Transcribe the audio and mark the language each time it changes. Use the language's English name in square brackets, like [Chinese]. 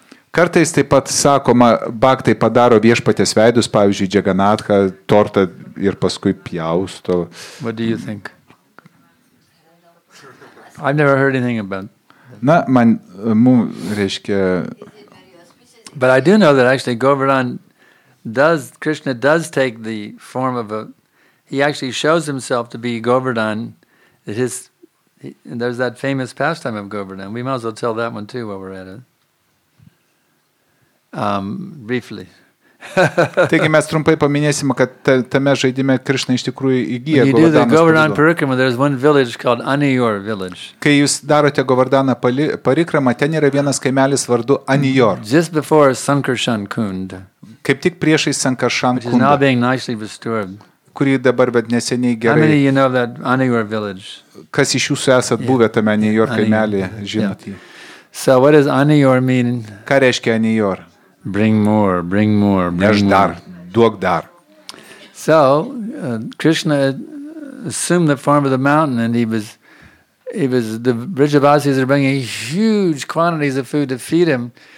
[Lithuanian] Kartais taip pat sakoma, baktai padaro viešpatės veidus, pavyzdžiui, džaganatką, tortą ir paskui pjausto. [English] What do you think? I've never heard anything about it. [Lithuanian] Na, man, reiškia. [English] But I do know that actually Govardhan does, Krishna does take the form of a, he actually shows himself to be Govardhan, there's that famous pastime of Govardhan. We might as well tell that one too while we're at it. Briefly. [Lithuanian] Taigi mes trumpai paminėsime, kad tame žaidime Krishna iš tikrųjų įgyja [English] Govardhan Parikrama, there's one village called Aniyor village. [Lithuanian] Kai jūs darote Govardhaną Parikrama, ten yra vienas kaimelis vardu Aniyor. [English] Just before Sankarshan Kund. [Lithuanian] Kaip tik priešais Sankarshan Kund. [English] Which is now being nicely restored. [Lithuanian] Kuri dabar bet neseniai gerai. [English] How many of you know that Aniyor village? [Lithuanian] Kas iš jūsų esat buvę tame Aniyor kaimelyje, žinot jį? [English] So what does Aniyor mean? [Lithuanian] Ką reiškia Aniyor? [English] Bring more. [Lithuanian] Neš dar, duok dar. [English] So, Krishna assumed the form of the mountain and he was the Vrijavasis are bringing huge quantities of food to feed him.